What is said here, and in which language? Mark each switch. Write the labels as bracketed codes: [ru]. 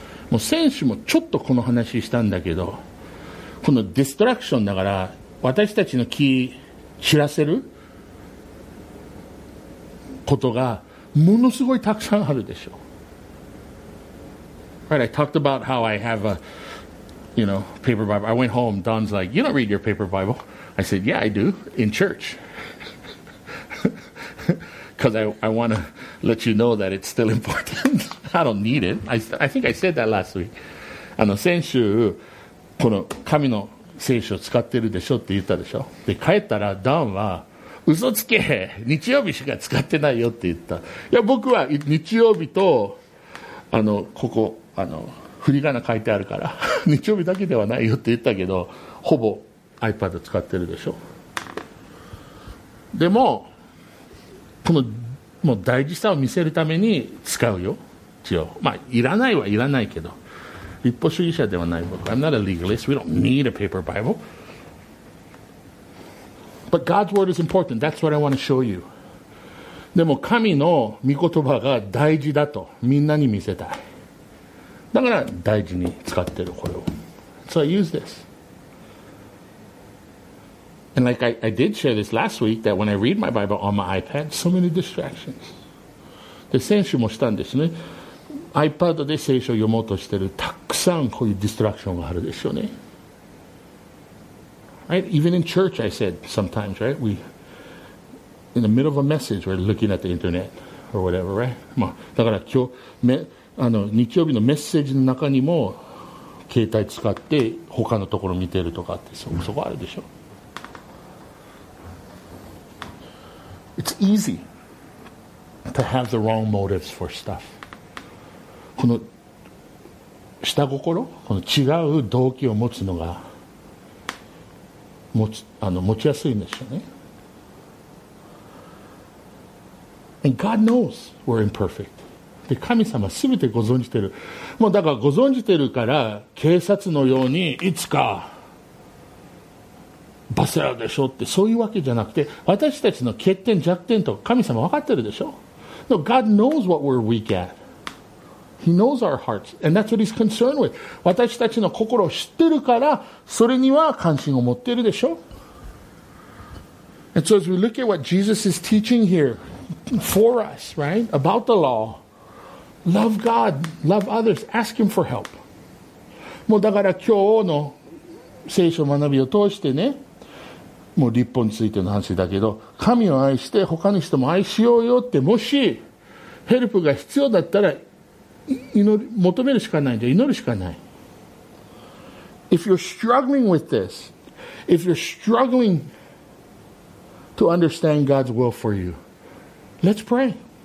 [ja] もう先週もちょっとこの話したんだけど、このディストラクションだから私たちの気散らせることがものすごいたくさんあるでしょう。 [en] Right, I talked about how I have a you know, paper Bible. I went home, Don's like, you don't read your paper Bible. I said, yeah, I do, in church. Because I want to let you know that it's still important. I don't need it. I think I said that last week. [ja] 先週、この神の聖書を使ってるでしょって言ったでしょ。で、帰ったら、ダンは、嘘つけ、日曜日しか使ってないよって言った。いや、僕は日曜日と、ここ、振り仮名書いてあるから日曜日だけではないよって言ったけどほぼ iPad 使ってるでしょ。でもこのもう大事さを見せるために使うよ一応。まあいらないはいらないけど立法主義者ではない僕。 [en] I'm not a legalist. We don't need a paper Bible. But God's word is important. That's what I want to show you. [ja] でも神の御言葉が大事だとみんなに見せたい。だから大事に使ってるこれを。 [en] So I use this. And like I did share this last week, that when I read my Bible on my iPad, so many distractions. [ja] で、先週もしたんですね。iPad で聖書を読もうとしてる、たくさんこういうディストラクションがあるでしょうね。 [en] Right? Even in church, I said sometimes, right? We, in the middle of a message, we're looking at the internet or whatever, right? [ja] まあ、だから今日、日曜日のメッセージの中にも携帯使って他のところ見てるとかってそこあるでしょ。 [en] It's easy to have the wrong motives for stuff. [ja] この下心、この違う動機を持つのが持ちやすいんですよね。 [en] And God knows we're imperfect. [ja] で神様すべてご存じてる。もうだからご存じてるから警察のようにいつか罰せられるでしょうってそういうわけじゃなくて私たちの欠点弱点とか神様分かってるでしょ。 [en] No, God knows what we're weak at. He knows our hearts and that's what he's concerned with. [ja] 私たちの心を知ってるからそれには関心を持ってるでしょ。 [en] And so as we look at what Jesus is teaching here for us, right, about the law,Love God, love others, ask Him for help. [ja] もうだから今日の聖書学びを通してね、もう律法についての話だけど、神を愛して他の人も愛しようよって、もしヘルプが必要だったら祈り、求めるしかないんじゃ、祈るしかない。 [en] If you're struggling with this, if you're struggling to understand God's will for you, let's pray.